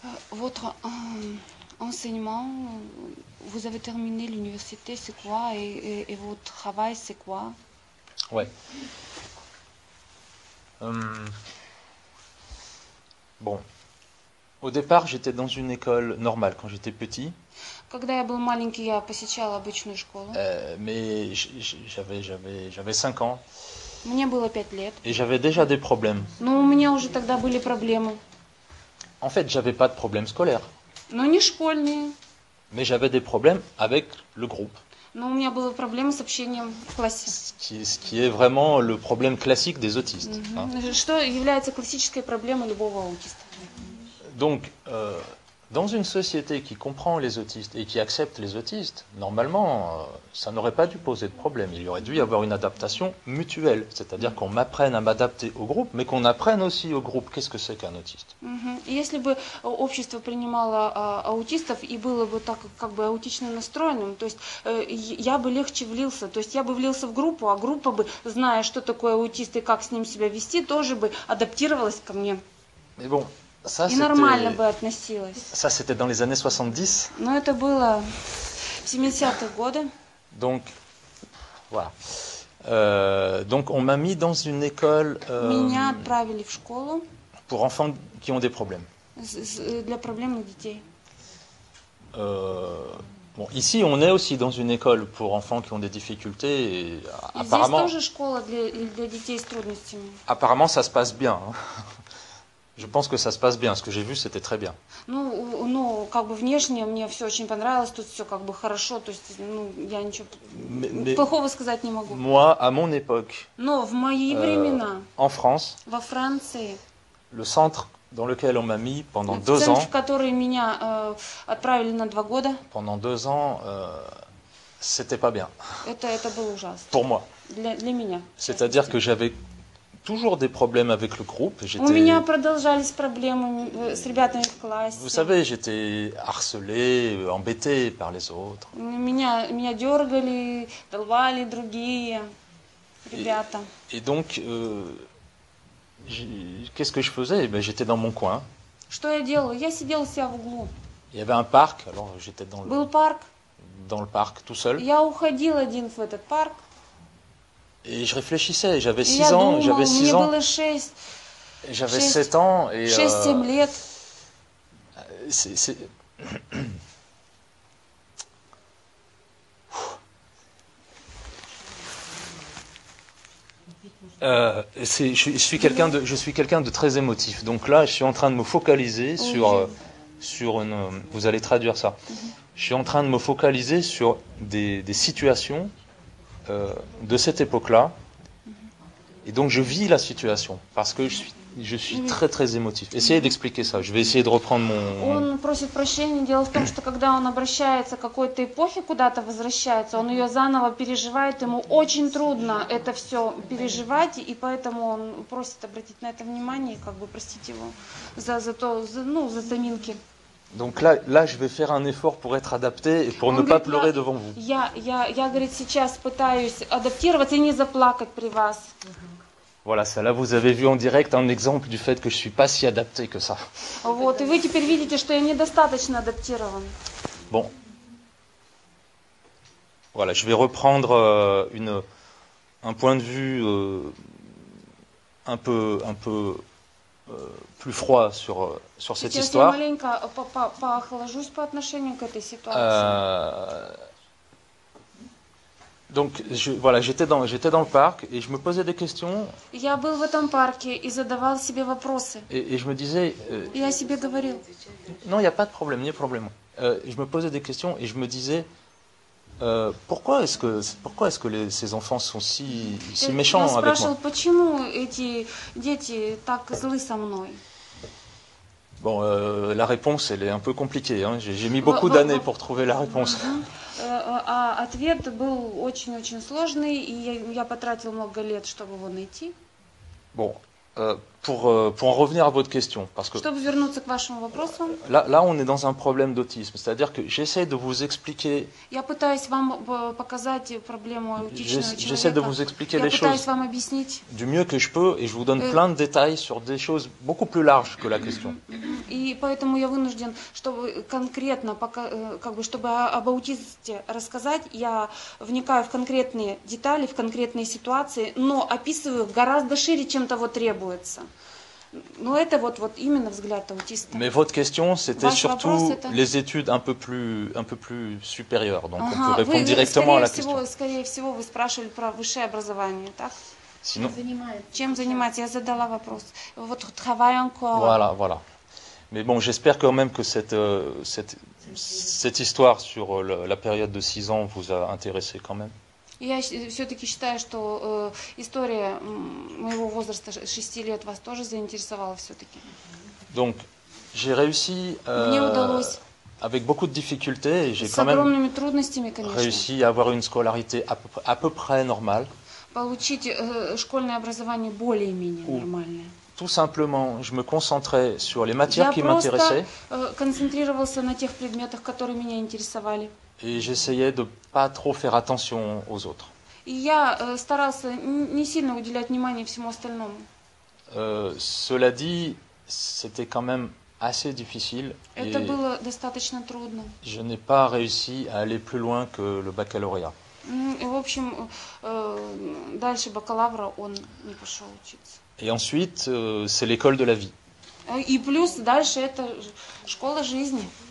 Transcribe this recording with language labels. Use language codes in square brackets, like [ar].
[ru] Вот [fr] enseignement, vous avez terminé l'université, c'est quoi? Et votre travail, c'est quoi? Ouais. Bon. Au départ, j'étais dans une école normale quand j'étais petit. [ru] Когда я был маленький, я посещал обычную школу. [fr] Mais j'avais 5 ans. [ru] Мне было 5 лет. [fr] Et j'avais déjà des problèmes. [ru] Ну, у меня уже тогда были проблемы. [fr] En fait, j'avais pas de problème scolaire. [ru] Но не школьные. [fr] Mais j'avais des problèmes avec le groupe. [ru] Но у меня были проблемы с общением в классе. [fr] Ce qui est vraiment le problème classique des autistes. Hein. [ru] Что является классической проблемой любого аутиста. [fr] Donc, dans une société qui comprend les autistes et qui accepte les autistes, normalement, ça n'aurait pas dû poser de problème. Il y aurait dû y avoir une adaptation mutuelle. C'est-à-dire qu'on m'apprenne à m'adapter au groupe, mais qu'on apprenne aussi au groupe qu'est-ce que c'est qu'un autiste. Mm-hmm. [ru] Если бы общество принимало аутистов и было бы так как бы аутично настроенным, то есть я бы легче влился. То есть я бы влился в группу, а группа бы, зная, что такое аутист и как с ним себя вести, тоже бы адаптировалась ко мне. [fr] Mais bon. Ça, [ru] и нормально бы относилась. [fr] Ça, c'était dans les années 70. [ru] Но это было в 70-е годы. [fr] Donc, voilà. Donc, on m'a mis dans une école. [ru] Меня отправили в школу. [fr] Pour enfants qui ont des problèmes. [ru] Для проблемных детей. [fr] Bon, ici, on est aussi dans une école pour enfants qui ont des difficultés. Et apparemment. [ru] Здесь тоже школа для детей с трудностями. [fr] Apparemment, ça se passe bien. Je pense que ça se passe bien. Ce que j'ai vu, c'était très bien. [ru] Ну, как бы внешне мне все очень понравилось. Тут все как бы хорошо. То есть, ну, я ничего плохого сказать не могу. [fr] Moi, à mon époque. [ru] Но в мои времена. [fr] En France. [ru] Во Франции. [fr] Le centre dans lequel on m'a mis pendant 2 ans. [ru] Центр, в который меня отправили на 2 года. [fr] Pendant 2 ans, c'était pas bien. [ru] Это было ужасно. [fr] Pour moi. [ru] Для меня. [fr] C'est-à-dire que j'avais toujours des problèmes avec le groupe. [ru] У меня продолжались проблемы с ребятами в классе. [fr] Vous savez, j'étais harcelé, embêté par les autres. [ru] Меня дергали, долбали другие ребята. [fr] Et donc, qu'est-ce que je faisais? Ben, j'étais dans mon coin. [ru] Что я делал? Я сидел у себя в углу. [fr] Il y avait un parc, alors j'étais dans [ru] Был [fr] le. [ru] Был парк. [fr] Dans le parc, tout seul. [ru] Я уходил один в этот парк. [fr] Et je réfléchissais, j'avais 6 ans, j'avais 6 ans. [ru] Было 6. [fr] J'avais 7 ans et [ru] 6-7 лет. [fr] C'est... je suis quelqu'un de très émotif. Donc là, je suis en train de me focaliser sur vous allez traduire ça. Mm-hmm. Je suis en train de me focaliser sur des situations de cette époque-là, et donc je vis la situation parce que je suis très très émotif. Essayez d'expliquer ça. Je vais essayer de reprendre mon. [ru] Он просит прощения. Дело в том, что когда он обращается к какой-то эпохе, куда-то возвращается, он ее заново переживает. Ему очень трудно это все переживать, и поэтому он просит обратить на это внимание, как бы простить его за заминки. [fr] Donc là, je vais faire un effort pour être adapté et pour ne pas pleurer devant vous. [ru] Я говорит, сейчас пытаюсь адаптироваться и не заплакать при вас. [fr] Voilà, ça là, vous avez vu en direct un exemple du fait que je suis pas si adapté que ça. [ru] Вот, и вы теперь видите, что я недостаточно адаптирован. [fr] Bon. Voilà, je vais reprendre un point de vue un peu plus froid sur cette histoire. [ru] Я маленько поохлажусь по отношению к этой ситуации. [fr] Donc j'étais dans le parc et je me posais des questions. [ru] Я был в этом парке и задавал себе вопросы. [fr] Et je me disais. [ru] Я себе говорил. [fr] Non, il y a pas de problème, ni problème. Je me posais des questions et je me disais. Pourquoi est-ce que ces enfants sont si méchants avec moi? [ru] Я спрашивал, почему эти дети так злы со мной? [fr] Bon, la réponse elle est un peu compliquée. Hein. J'ai mis beaucoup d'années pour trouver la réponse. [ru] А ответ был очень-очень сложный, и я потратил много лет, чтобы его найти. [fr] Bon, pour en revenir à votre question, parce que. [ru] Чтобы вернуться к вашему вопросу. [fr] Là, on est dans un problème d'autisme, c'est-à-dire que j'essaie de vous expliquer. [ru] Я пытаюсь вам показать проблему аутичного человека. [fr] J'essaie de vous expliquer les choses. [ru] Я пытаюсь вам объяснить. [fr] Du mieux que je peux, et je vous donne plein de détails sur des choses beaucoup plus larges que la question. [ru] И поэтому я вынужден, чтобы конкретно, чтобы об аутизме рассказать, я вникаю в конкретные детали, в конкретные ситуации, но описываю гораздо шире, чем того требует. Но это вот именно взгляд аутиста. [fr] Mais votre question, c'était surtout les études un peu plus supérieures. Donc on peut répondre directement à la question. [ru] Скорее всего, вы спрашивали про высшее образование, так? [fr] Sinon... [ru] Чем занимается? Я задала вопрос. Вот [fr] travaille encore. Voilà. Mais bon, j'espère quand même que cette histoire sur la période de 6 ans vous a intéressé quand même. [ru] Я все-таки считаю, что история моего возраста 6 лет вас тоже заинтересовала все-таки. [fr] Donc, j'ai réussi, [ru] мне удалось [fr] avec beaucoup de difficultés, j'ai [ru] с огромными трудностями, конечно, [fr] réussi à avoir une scolarité à peu près normale, [ru] получить школьное образование более-менее нормальное. [fr] Tout simplement, je me concentrais sur les matières qui m'intéressaient. [ru] Концентрировался на тех предметах, которые меня интересовали. [fr] Et j'essayais de pas trop faire attention aux autres. [ru] Я старался не сильно уделять внимание всему остальному. [fr] Cela dit, c'était quand même assez difficile. [ru] Это было достаточно трудно. [fr] Je n'ai pas réussi à aller plus loin que le baccalauréat. [ru] В общем, дальше бакалавра он не пошел учиться. [fr] Et ensuite, c'est l'école de la vie. [ru] И плюс дальше это школа жизни.